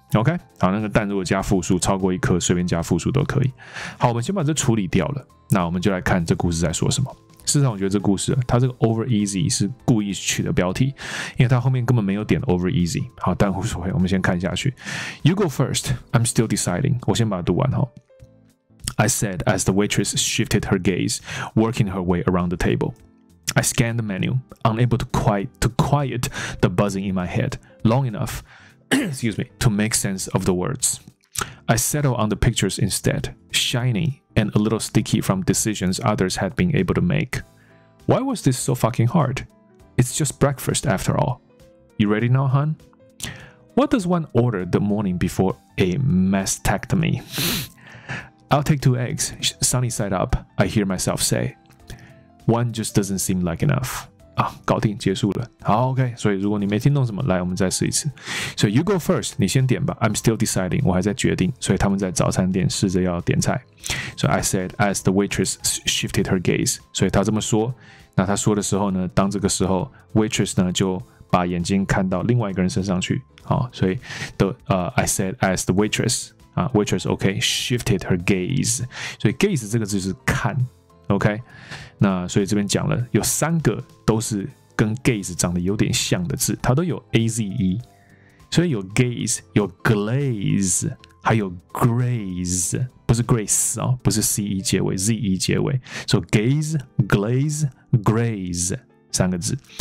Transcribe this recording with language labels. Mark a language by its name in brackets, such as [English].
[Chinese] OK， 好，那个蛋如果加复数，超过一颗随便加复数都可以。好，我们先把这处理掉了，那我们就来看这故事在说什么。事实上我觉得这故事它这个 over easy 是故意取的标题，因为它后面根本没有点 over easy。好，但无所谓，我们先看下去。 [English] You go first， I'm still deciding。 [Chinese] 我先把它读完。 [English] I said as the waitress shifted her gaze working her way around the table。 I scanned the menu, unable to quiet the buzzing in my head long enough excuse me, to make sense of the words. I settled on the pictures instead, shiny and a little sticky from decisions others had been able to make. Why was this so fucking hard? It's just breakfast after all. You ready now, hon? What does one order the morning before a mastectomy? I'll take two eggs, sunny side up, I hear myself say. One just doesn't seem like enough. [Chinese] 搞定，结束了。好 [English] ，OK。 [Chinese] 所以如果你没听懂什么，来，我们再试一次。所以 [English] you go first， [Chinese] 你先点吧。 [English] I'm still deciding， [Chinese] 我还在决定。所以他们在早餐店试着要点菜。 [English] So I said as the waitress shifted her gaze。 [Chinese] 所以他这么说，那他说的时候呢，当这个时候 ，waitress 呢就把眼睛看到另外一个人身上去。 [English] 好，所以的I said as the waitress waitress OK shifted her gaze。 [Chinese] 所以 gaze 这个字是看。OK， 那所以这边讲了有三个都是跟 gaze 长得有点像的字，它都有 aze， 所以有 gaze， 有 glaze， 还有 graze， 不是 grace 哦，不是 ce 结尾 ，ze 结尾，所以 gaze、glaze、graze 三个字。